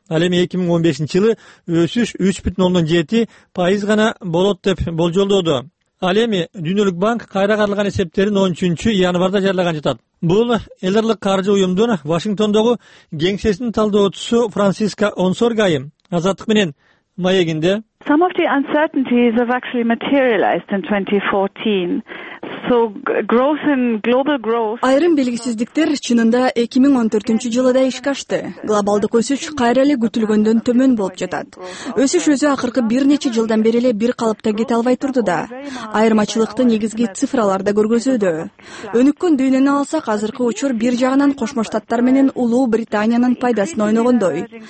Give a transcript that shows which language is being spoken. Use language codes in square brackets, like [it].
[ky] Ал эми 2015 жылы өсүш 3.7% гана болот деп болжолдоодо. Ал эми Дүйнөлүк банк кайра карылган эсептерин 13 январда жарыялаган жатат. Бул эл ырлык каржы уюмдун Вашингтондогу кеңсесинин талдоочусу Франциска Онсоргай Азаттык менен маегинде. [en] Some of the uncertainties have actually materialized in 2014. So growth in global growth. [ky] Айрым белгисиздиктер чынында 2014 жылы да иш качты. Глобалдык өсүш кайра эле күтүлгөндөн төмөн болуп жатат. Өсүш өзү акыркы бир нече жылдан бери эле бир калыпта кете албай турду да. Айырмачылыкты негизги цифраларда көргөзүүдө. Өнүккөн дүйнөнү алсак, азыркы учур бир жагынан Кошмо Штаттар менен Улуу Британиянын пайдасын ойногондой.